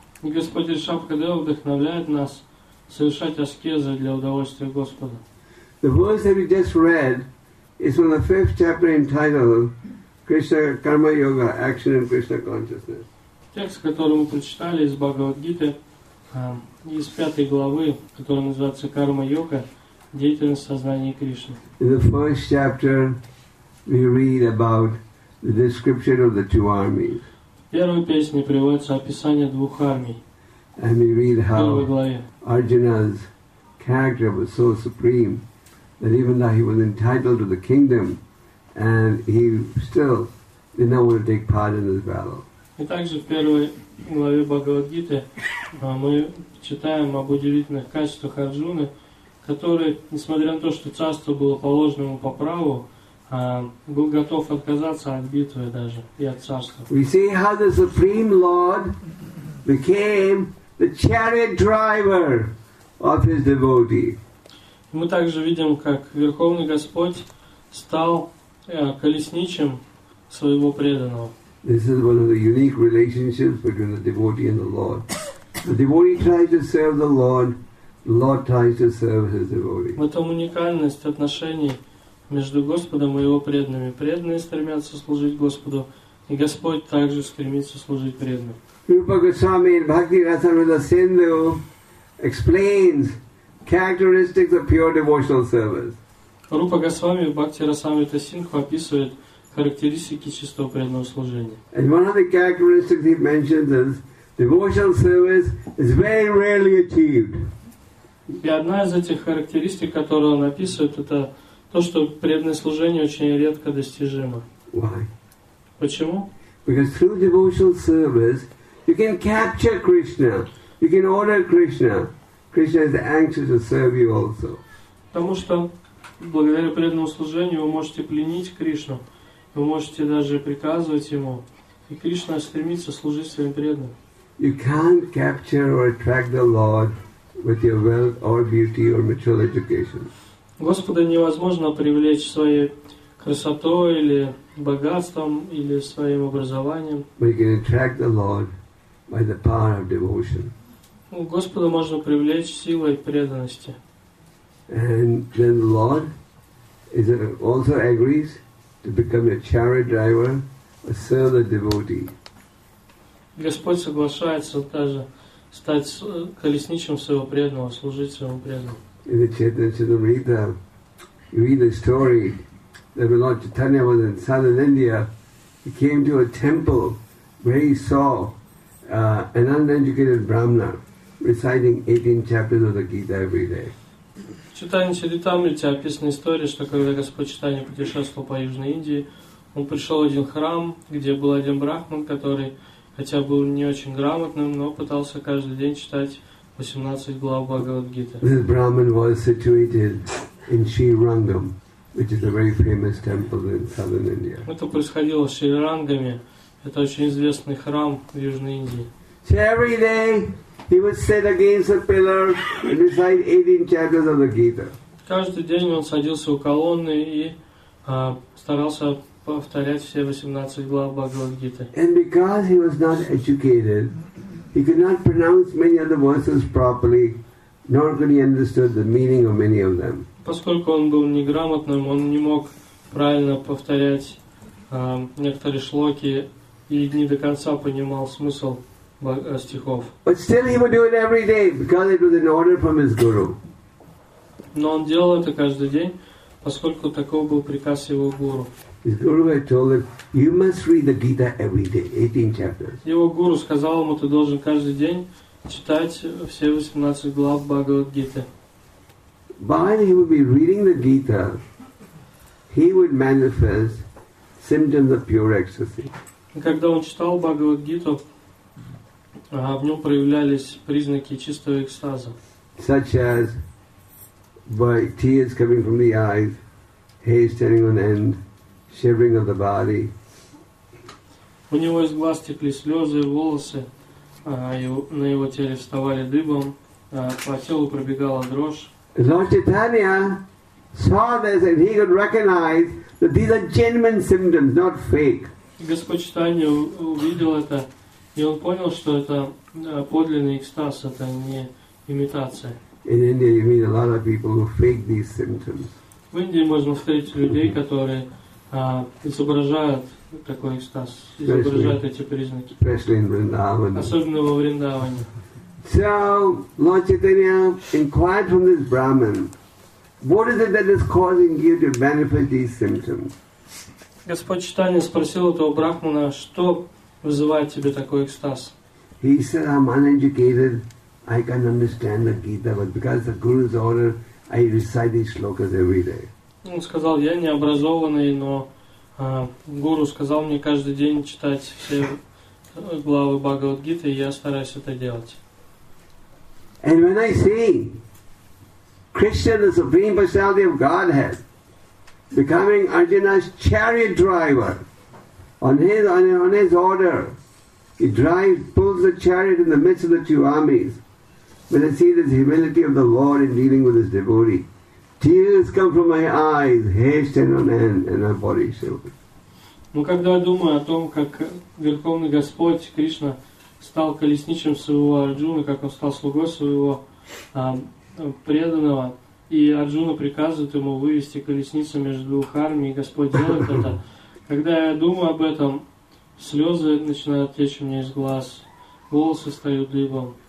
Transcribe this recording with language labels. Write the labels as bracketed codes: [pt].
[ru] И Господь Ришабхадева вдохновляет нас совершать аскезы для удовольствия Господа. [en] The verse that we just read, it's from the fifth chapter entitled Krishna Karma Yoga, Action in Krishna Consciousness. [ru] Текст, который мы прочитали из Бхагавад Гиты, из пятой главы, который называется Карма Йога, деятельность сознания Кришны. [en] In the first chapter, we read about the description of the two armies. [ru] В первой песне приводится описание двух армий. [en] And we read how Arjuna's character was so supreme that even though he was entitled to the kingdom, and he still did not want to take part in this battle. [ru] И также в первой главе Бхагавад-гиты мы читаем об удивительных качествах Арджуны, который, несмотря на то, что царство было положено ему по праву, был готов отказаться от битвы даже и от царства. [en] We see how the Supreme Lord became the chariot driver of his devotee. [ru] Мы также видим, как Верховный Господь стал колесничим своего преданного. [en] This is one of the unique relationships between the devotee and the Lord. The devotee tries to serve the Lord. The Lord tries to serve his devotee. [ru] В этом уникальность отношений между Господом и его преданными. Преданные стремятся служить Господу, и Господь также стремится служить преданным. [en] Rupa Goswami in Bhakti-rasamrita Sindhu explains characteristics of pure devotional service. [ru] Rupa Goswami in Bhakti-rasamrita Sindhu описывает характеристики чистого преданного служения. [en] And one of the characteristics he mentions is devotional service is very rarely achieved. [ru] И одна из этих характеристик, которую он описывает, это то, что преданное служение очень редко достижимо. [en] Why? [ru] Почему? [en] Because through devotional service you can capture Krishna. You can order Krishna. Krishna is anxious to serve you also. [ru] Потому что благодаря преданному служению вы можете пленить Кришну. Вы можете даже приказывать ему. И Кришна стремится служить своим преданным. [en] You can't capture or attract the Lord with your wealth or beauty or material education. [ru] Господа невозможно привлечь своей красотой или богатством или своим образованием. [en] But you can attract the Lord by the power of devotion. [ru] Господа можно привлечь силой преданности. [en] And then the Lord is also agrees to become a chariot driver or serve the devotee. [ru] Господь соглашается также стать колесничим своего преданного, служить своему преданному. [en] In the Chaitanya Charitamrita, you read the story that when Lord Chaitanya was in southern India, he came to a temple where he saw an uneducated Brahmana reciting 18 chapters of the Gita every day. [ru] В Chaitanya Charitamrita описана история, что когда Господь Chaitanya путешествовал по Южной Индии, он пришел в один храм, где был один брахман, который, хотя был не очень грамотным, но пытался каждый день читать 18 глав Бхагавад-гиты. [en] This Brahman was situated in Sri Rangam, which is a very famous temple in southern India. [ru] Это происходило в Шри Рангаме. Это очень известный храм в Южной Индии. [en] So every day he would sit against a pillar and recite 18 chapters of the Gita. [ru] Каждый день он садился у колонны и старался повторять все 18 глав Бхагавад-гиты. [en] And because he was not educated, he could not pronounce many of the verses properly, nor could he understand the meaning of many of them. [ru] Поскольку он был неграмотным, он не мог правильно повторять некоторые шлоки и не до конца понимал смысл стихов. [en] But still he would do it every day because it was an order from his guru. [ru] Но он делал это каждый день, поскольку таков был приказ его гуру. [en] His guru had told him, "You must read the Gita every day, 18 chapters." [ru] Его гуру сказал ему, ты должен каждый день читать все 18 глав Бхагавад-гиты. [en] While he would be reading the Gita, he would manifest symptoms of pure ecstasy. [ru] Когда он читал Бхагавад-гиту, в нем проявлялись признаки чистого экстаза. [en] Such as by tears coming from the eyes, hair standing on end, shivering of the body. [ru] У него из глаз текли слезы, волосы на его теле вставали дыбом, по телу пробегала дрожь. [en] Lord Chaitanya saw this and he could recognize that these are genuine symptoms, not fake. [ru] Господь Чайтанья увидел это, и он понял, что это подлинный экстаз, это не имитация. [en] In India you meet a lot of people who fake these symptoms. [ru] В Индии можно встретить людей, которые изображают такой экстаз, изображают эти признаки. [en] Especially in Vrindavan. [ru] Особенно во Вриндаване. [en] So, Lord Chaitanya inquired from this Brahman, what is it that is causing you to manifest these symptoms? [ru] Господь Чайтанья спросил этого брахмана, что вызывает тебе такой экстаз? [en] He said, I'm uneducated, I can't understand the Gita, but because the Guru's order, I recite these shlokas every day. [ru] Он сказал, я не образованный, но гуру сказал мне каждый день читать все главы Бхагавад-гиты, и я стараюсь это делать. [en] And when I see Krishna, the Supreme Personality of Godhead, becoming Arjuna's chariot driver, on his order, he drives, pulls the chariot in the midst of the two armies. When I see this humility of the Lord in dealing with his devotee, tears come from my eyes, hair stand on end, and my body shivers. [ru] Но когда я думаю о том, как Верховный Господь Кришна стал колесничем своего Арджуны, как он стал слугой своего преданного, и Арджуна приказывает ему вывести колесницу между двух армий, и Господь делает это, когда я думаю об этом, слезы начинают течь у меня из глаз, волосы встают дыбом.